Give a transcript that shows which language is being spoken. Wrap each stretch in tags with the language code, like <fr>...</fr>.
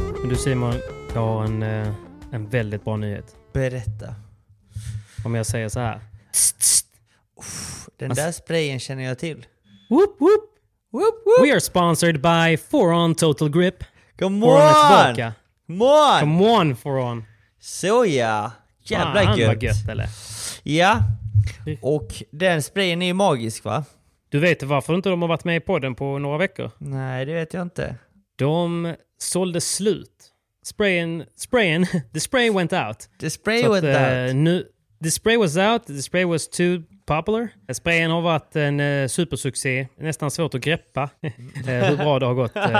<sv>Du Simon, Jag har en väldigt bra nyhet. Berätta. Om jag säger så här. Den där sprayen känner jag till. Whoop, whoop. Whoop, whoop.</sv> <en>We are sponsored by 4On Total Grip. Come on! Come on! Come on, 4On.</en> <sv>Så ja. Jävla gött. Han var gött, eller? Ja. Och den sprayen är ju magisk, va? Du vet varför inte de har varit med i podden på några veckor? Nej, det vet jag inte. De sålde slut.</sv> <en>Sprayen, the spray went out. The spray went out. Nu, the spray was out, the spray was too popular.</en> <sv>Sprayen har varit en supersuccé. Nästan svårt att greppa hur bra det har gått.</sv>